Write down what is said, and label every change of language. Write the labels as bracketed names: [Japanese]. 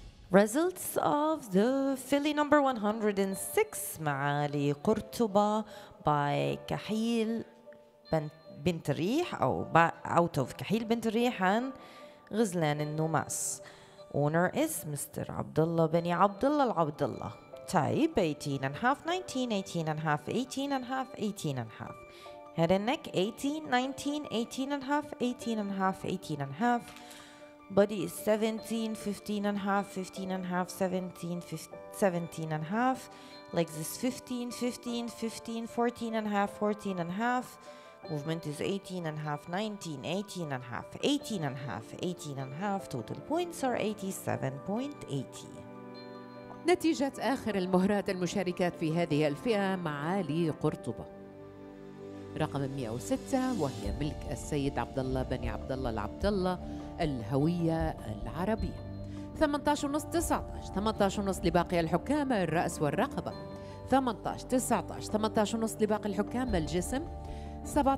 [English] results of the Philly number 106 معالي قرطبة by كحيل بنت ريح أو out of كحيل بنت ريح عن غزلان النوماس. Owner is Mr. Abdullah بني عبد الله العبد الله. Type 18 and half 19, 18 and half 18 and half 18 and half. Head and neck 18, 19, 18 and half 18 and half 18 and half. Body is 17, 15 and half 15 and half 17, 17 and half. Legs is 15, 15, 15, 14 and half 14 and half. Movement is 18 and half 19, 18 and half 18 and half 18 and half. Total points are 87.80. [Arabic] نتيجة آخر المهرات المشاركات في هذه الفئة معالي قرطبة رقم 106 وهي ملك السيد عبد الله بني عبد الله العبد الله الهوية العربية 18.5-19 18.5 لباقي الحكام الرأس والرقبة 18.19 18.5 لباقي الحكام الجسم 17.5-17.5